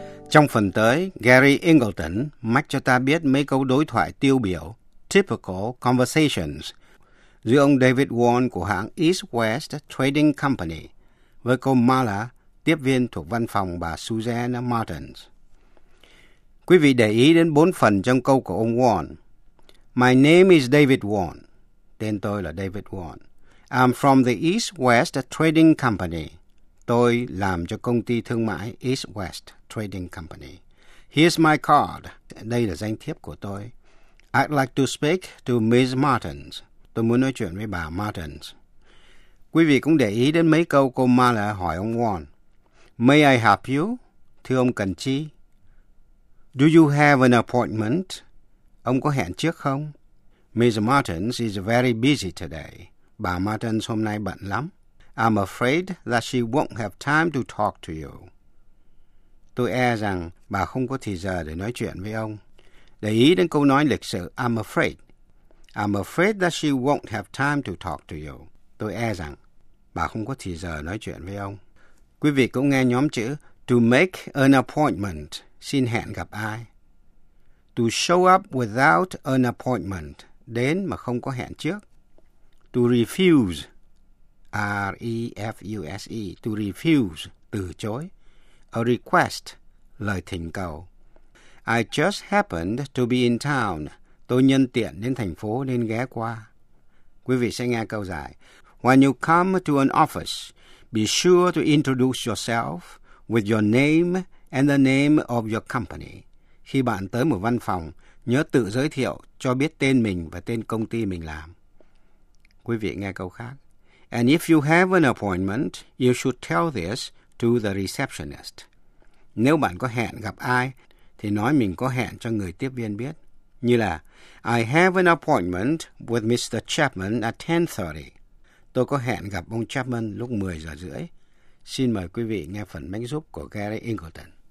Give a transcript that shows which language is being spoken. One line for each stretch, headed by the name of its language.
Vietnamese: Trong phần tới, Gary Ingleton mách cho ta biết mấy câu đối thoại tiêu biểu,
English: typical conversations,
Vietnamese: giữa ông David Warren của hãng East West Trading Company với cô Marla, tiếp viên thuộc văn phòng bà Suzanne Martins. Quý vị để ý đến bốn phần trong câu của ông Warren.
English: My name is David Warren.
Vietnamese: Tên tôi là David Warren.
English: I'm from the East West Trading Company.
Vietnamese: Tôi làm cho công ty thương mại East West Trading Company.
English: Here's my card.
Vietnamese: Đây là danh thiếp của tôi.
English: I'd like to speak to Ms. Martins.
Vietnamese: Tôi muốn nói chuyện với bà Martins. Quý vị cũng để ý đến mấy câu cô Marla hỏi ông Warren.
English: May I help you?
Vietnamese: Thưa ông cần chi?
English: Do you have an appointment?
Vietnamese: Ông có hẹn trước không?
English: Ms. Martins is very busy today.
Vietnamese: Bà Martins hôm nay bận lắm.
English: I'm afraid that she won't have time to talk to you.
Vietnamese: Tôi e rằng bà không có thời giờ để nói chuyện với ông. Để ý đến câu nói lịch sự,
English: I'm afraid. I'm afraid that she won't have time to talk to you.
Vietnamese: Tôi e rằng bà không có thời giờ nói chuyện với ông. Quý vị cũng nghe nhóm chữ
English: to make an appointment,
Vietnamese: xin hẹn gặp ai.
English: To show up without an appointment,
Vietnamese: đến mà không có hẹn trước.
English: To refuse, R-E-F-U-S-E, to refuse,
Vietnamese: từ chối. A request, lời thỉnh cầu.
English: I just happened to be in town.
Vietnamese: Tôi nhân tiện đến thành phố nên ghé qua. Quý vị sẽ nghe câu dài.
English: When you come to an office, be sure to introduce yourself with your name and the name of your company.
Vietnamese: Khi bạn tới một văn phòng, nhớ tự giới thiệu cho biết tên mình và tên công ty mình làm. Quý vị nghe câu khác.
English: And if you have an appointment, you should tell this to the receptionist.
Vietnamese: Nếu bạn có hẹn gặp ai, thì nói mình có hẹn cho người tiếp viên biết. Như là,
English: I have an appointment with Mr. Chapman at 10:30.
Vietnamese: Tôi có hẹn gặp ông Chapman lúc 10 giờ rưỡi. Xin mời quý vị nghe phần mách giúp của Gary Ingleton.